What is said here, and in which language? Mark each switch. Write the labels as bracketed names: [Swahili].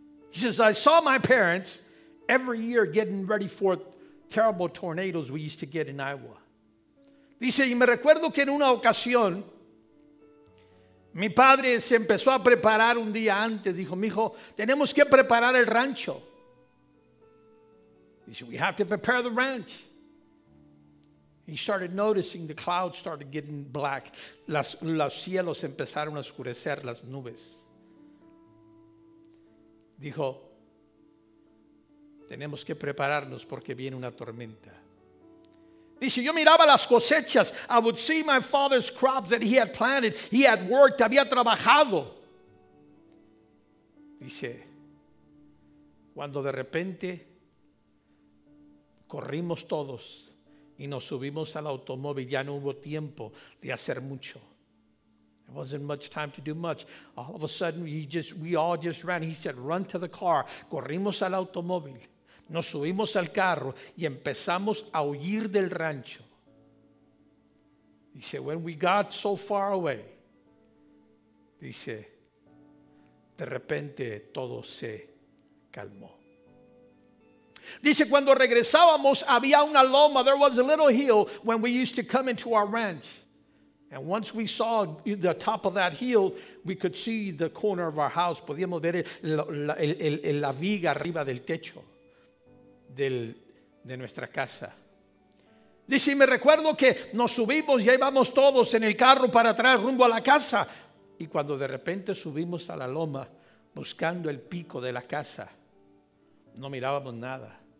[English] He says, I saw my parents every year getting ready for terrible tornadoes we used to get in Iowa. [Spanish] Dice, y me recuerdo que en una ocasión, mi padre se empezó a preparar un día antes. Dijo, mijo, tenemos que preparar el rancho. [English] He said, we have to prepare the ranch. He started noticing the clouds started getting black. [Spanish] Los cielos empezaron a oscurecer, las nubes. Dijo, tenemos que prepararnos porque viene una tormenta. Dice, yo miraba las cosechas. [English] I would see my father's crops that he had planted. He had worked, [Spanish] había trabajado. Dice, cuando de repente corrimos todos y nos subimos al automóvil, ya no hubo tiempo de hacer mucho. [English] There wasn't much time to do much. All of a sudden, we all just ran. He said, run to the car. [Spanish] Corrimos al automóvil. Nos subimos al carro y empezamos a huir del rancho. [English] He said, when we got so far away, [Spanish] dice, de repente todo se calmó. Dice, cuando regresábamos, había una loma. [English] There was a little hill when we used to come into our ranch. And once we saw the top of that hill, we could see the corner of our house. [Spanish] Podíamos ver la viga arriba del techo de nuestra casa. Dice, y me recuerdo que nos subimos y ahí vamos todos en el carro para atrás rumbo a la casa. Y cuando de repente subimos a la loma buscando el pico de la casa, no mirábamos nada.